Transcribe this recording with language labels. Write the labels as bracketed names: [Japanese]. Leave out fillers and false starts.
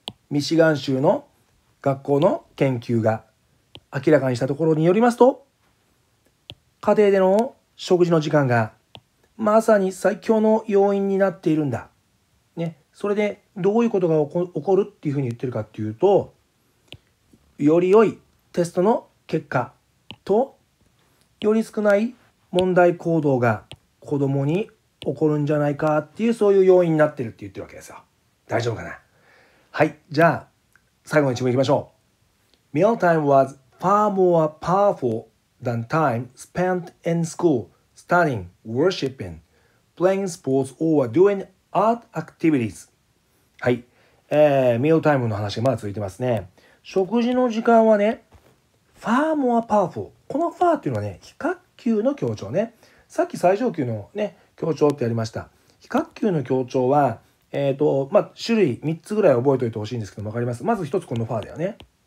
[Japanese] ミシガン州の学校の研究が明らかにしたところによりますと、家庭での食事の時間がまさに最強の要因になっているんだ、ね、それでどういうことが起こるっていうふうに言ってるかっていうと、より良いテストの結果とより少ない問題行動が子供に起こるんじゃないかっていう、そういう要因になってるって言ってるわけですよ。大丈夫かな。はい、じゃあ最後の一問いきましょう。 [English] Meal time was far more powerfulThan time spent in school, studying, worshiping, playing sports, or doing art activities. [Japanese] はい、ミールタイムの話がまだ続いてますね。食事の時間はね、 [English] far more powerful。 [Japanese] この far っていうのはね、比較級の強調ね。さっき最上級のね、強調ってやりました。比較級の強調は、種類3つぐらい覚えておいてほしいんですけど、わかります。まず1つこの far だよね。